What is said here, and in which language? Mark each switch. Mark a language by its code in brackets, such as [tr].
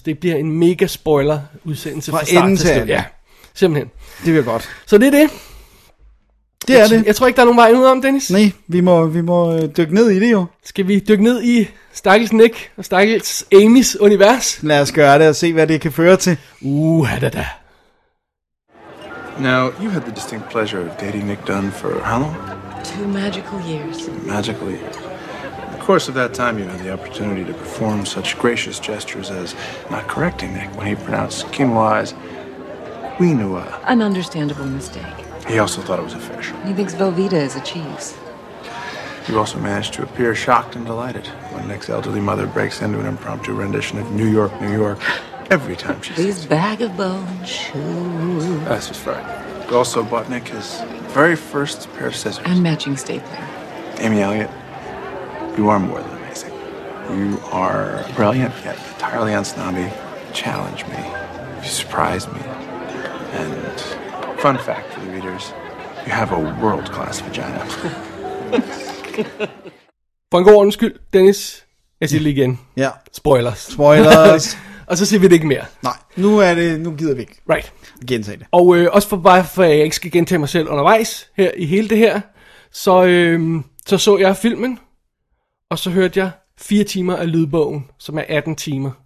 [da] Det bliver en mega spoiler udsendelse fra start til slut. Ja, simpelthen. Det bliver godt. Så det er det. Det er det. Jeg tror ikke, der er nogen vej ud om, Dennis. Nej, vi må dykke ned i det jo. Skal vi dykke ned i stakkels Nick og stakkels Amys univers? Lad os gøre det og se, hvad det kan føre til. Uhadada. [en] Now, you had the distinct pleasure of dating Nick Dunn for how long? 2 magical years. 2 magical years. In the course of that time, you had the opportunity to perform such gracious gestures as not correcting Nick when he pronounced quinoa's quinoa. An understandable mistake. He also thought it was a fish. He thinks Velveeta is a cheese. You also managed to appear shocked and delighted when Nick's elderly mother breaks into an impromptu rendition of New York, New York. Every time she says... bag of bone shoes. That's just right. You also bought Nick his very first pair of scissors. And matching stapler. Amy Elliott, you are more than amazing. You are brilliant, yet entirely unsnobby. Challenge me. You surprise me. And fun fact for the readers, you have a world-class vagina. [da] For en god ordens skyld, Dennis, jeg siger lige igen. Ja. Spoilers. Spoilers. Og så siger vi det ikke mere. Nej, nu gider vi ikke. [en] Right. [da] Gentage det. Og også for bare for at jeg ikke skal gentage mig selv undervejs her i hele det her, så jeg filmen, og så hørte jeg 4 timer af lydbogen, som er 18 timer.